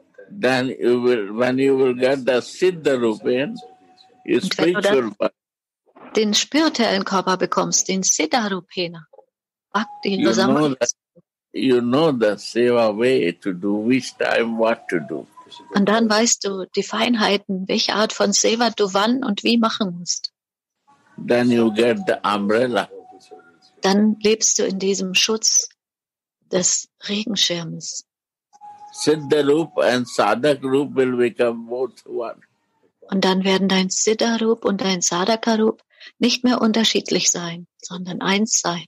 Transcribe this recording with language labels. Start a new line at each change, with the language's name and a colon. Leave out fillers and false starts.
English: Then when you will get the Siddha Rupen, your spiritual body.
German: Den spirituellen Körper bekommst, den Siddha Rupena.
English: You know the seva way to do, which time what to do.
German: Und dann weißt du die Feinheiten, welche Art von Seva du wann und wie machen musst.
English: Then you get the umbrella.
German: Dann lebst du in diesem Schutz des Regenschirms.
English: Siddha Rup and Sadhak Rup will become both one.
German: Und dann werden dein Siddha Rup und dein Sadhaka Rup nicht mehr unterschiedlich sein, sondern eins sein.